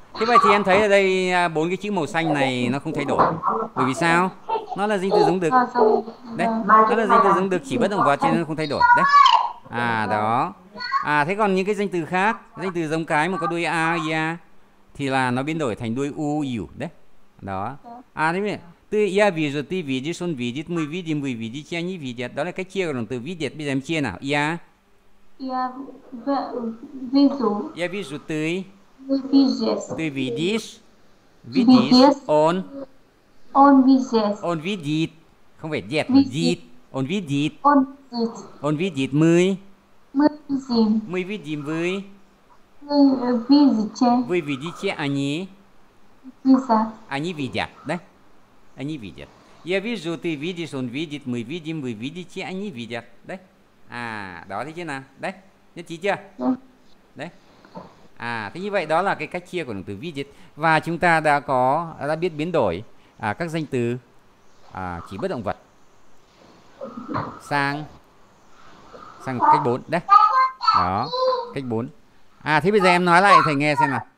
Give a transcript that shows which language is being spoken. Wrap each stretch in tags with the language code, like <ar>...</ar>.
<vi>Thế vậy thì em thấy ở đây bốn cái chữ màu xanh này nó không thay đổi. Bởi vì sao? Nó là danh từ giống được. Đấy, nó là danh từ giống được chỉ bất động vật cho nên nó không thay đổi. Đấy. À đó. À thế còn những cái danh từ khác, danh từ giống cái mà có đuôi a ya thì là nó biến đổi thành đuôi u yu đấy. Đó. À thế vậy.</vi> <ru>Ты я вижу, ты видишь, он видит, мы видим, вы видите, они видят.</ru> <vi>Đó là cái chia của động từ видеть. Bây giờ em chia nào. Я.</vi> <ru>Я вижу. Я вижу, ты видишь. Видишь. Он. Он видит. Он видит.</ru> <vi>Không phải дед, видит.</vi> <ru>Он видит. Он видит. Он видит. Мы. Мы видим. Мы видим. Вы. Мы видите. Вы видите. Они. Видят. Они видят. Да? Они видят. Я вижу, ты видишь, он видит, мы видим, вы видите, они видят.</ru> <vi>Да? À, đó thấy chưa nào? Đấy, nhất trí chưa? Đấy. À, thế như vậy đó là cái cách chia của động từ vidět. Và chúng ta đã biết biến đổi các danh từ chỉ bất động vật sang cách 4. Đấy, đó, cách 4. À, thế bây giờ em nói lại thầy nghe xem nào.</vi>